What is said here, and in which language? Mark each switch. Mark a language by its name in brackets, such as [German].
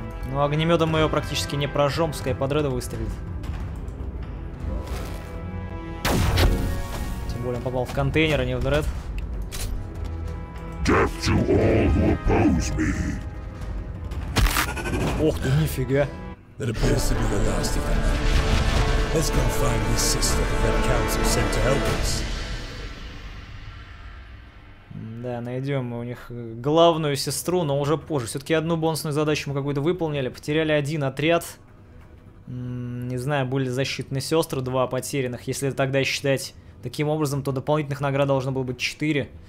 [Russian] Но огнеметом мы его практически не прожжем, пускай под реда выстрелит. Тем более он попал в контейнер, а не в дред. [English] Death to all who oppose me. [Russian] Ох ты, нифига. [English] It appears to be the last event. Let's go find this sister that the council sent to help us. [Russian] Да, найдем мы у них главную сестру, но уже позже. Все-таки одну бонусную задачу мы какую-то выполнили. Потеряли один отряд. Не знаю, были защитные сестры, два потерянных. Если тогда считать таким образом, то дополнительных наград должно было быть 4.